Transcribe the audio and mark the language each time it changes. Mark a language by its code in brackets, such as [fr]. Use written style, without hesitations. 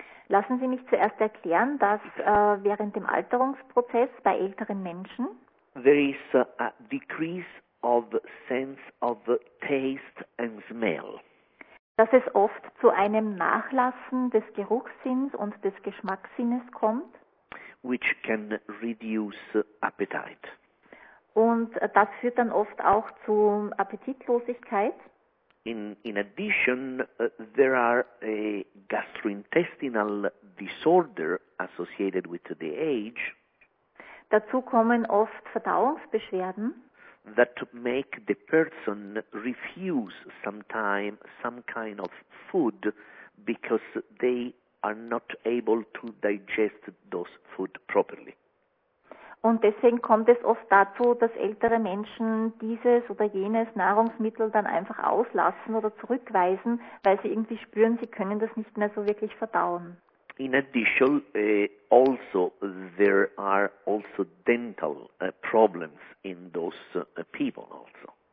[de] Lassen Sie mich zuerst erklären, dass während dem Alterungsprozess bei älteren Menschen [en] there is a decrease of sense of taste and smell. [de] Dass es oft zu einem Nachlassen des Geruchssinns und des Geschmackssinnes kommt, [en] which can reduce appetite. [de] Und das führt dann oft auch zu Appetitlosigkeit. [en] In addition, there are a gastrointestinal disorder associated with the age. [de] Dazu kommen oft Verdauungsbeschwerden. [en] That make the person refuse sometime some kind of food because they are not able to digest those food properly. [de] Und deswegen kommt es oft dazu, dass ältere Menschen dieses oder jenes Nahrungsmittel dann einfach auslassen oder zurückweisen, weil sie irgendwie spüren, sie können das nicht mehr so wirklich verdauen. [en] In addition, also there are also dental problems in those people also.